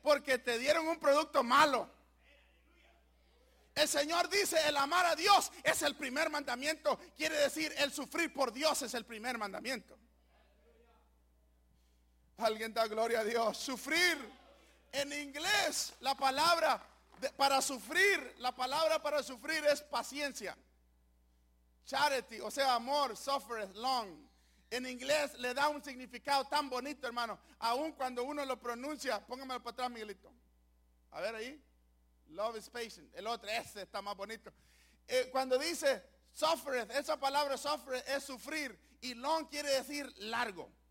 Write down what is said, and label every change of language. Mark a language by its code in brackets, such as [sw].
[es] Porque te dieron un producto malo. El Señor dice: el amar a Dios es el primer mandamiento. Quiere decir, el sufrir por Dios es el primer mandamiento. Alguien da gloria a Dios. Sufrir. En inglés, la palabra para sufrir, la palabra para sufrir es paciencia. [en] Charity, [es] o sea, amor, [en] suffereth long. [es] En inglés le da un significado tan bonito, hermano. Aún cuando uno lo pronuncia, póngamelo para atrás, Miguelito. A ver ahí. [en] Love is patient. [es] El otro, ese está más bonito. Cuando dice suffereth, esa palabra suffereth es sufrir. Y long quiere decir largo.